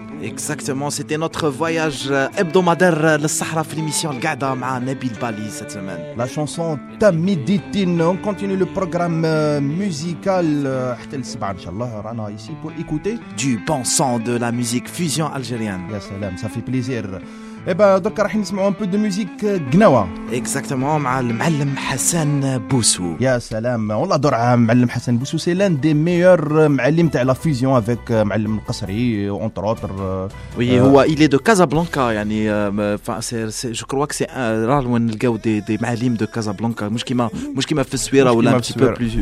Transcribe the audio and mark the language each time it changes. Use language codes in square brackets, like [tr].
[fr] Exactement, c'était notre voyage hebdomadaire le Sahara pour l'émission Gada avec Nabil Bali cette semaine. La chanson Tamiditine, on continue le programme musical [ar] حتى السبعة ان شاء الله رانا [fr] ici pour écouter du bon son de la musique fusion algérienne. Ya salam, ça fait plaisir. Et ben donc [ar] راح نسمعوا [fr] un peu de musique Gnawa. Exactement, [ar] مع [fr] المعلم حسن بوسو. Ya salam, on l'adore معلم حسن بوسو, c'est l'un des meilleurs معلم تاع la fusion avec معلم القصري entre autres. Oui, [ar] هو [fr] il est de Casablanca, [ar] يعني [fr] c'est je crois que c'est rare où on le voit des معلم de Casablanca, [ar] مش كيما في السويرة ولا [fr] un petit peu plus